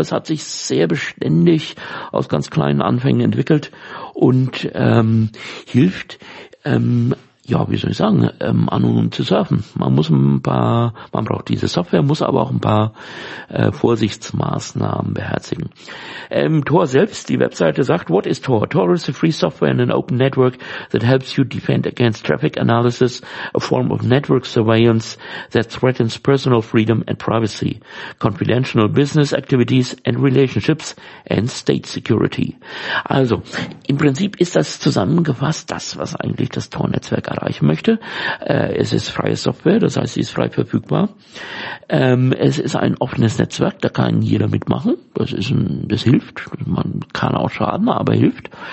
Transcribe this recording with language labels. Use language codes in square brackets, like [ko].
[de] Das hat sich sehr beständig aus ganz kleinen Anfängen entwickelt und hilft, ja, wie soll ich sagen, an und um zu surfen. Man braucht diese Software, muss aber auch ein paar Vorsichtsmaßnahmen beherzigen. Tor selbst, die Webseite sagt, [en] what is Tor? Tor is a free software in an open network that helps you defend against traffic analysis, a form of network surveillance that threatens personal freedom and privacy, confidential business activities and relationships and state security. [de] Also, im Prinzip ist das zusammengefasst, das, was eigentlich das Tor-Netzwerk erreichen möchte. Es ist freie Software, das heißt, sie ist frei verfügbar. Es ist ein offenes Netzwerk, da kann jeder mitmachen. Das hilft. Man kann auch schaden, aber hilft.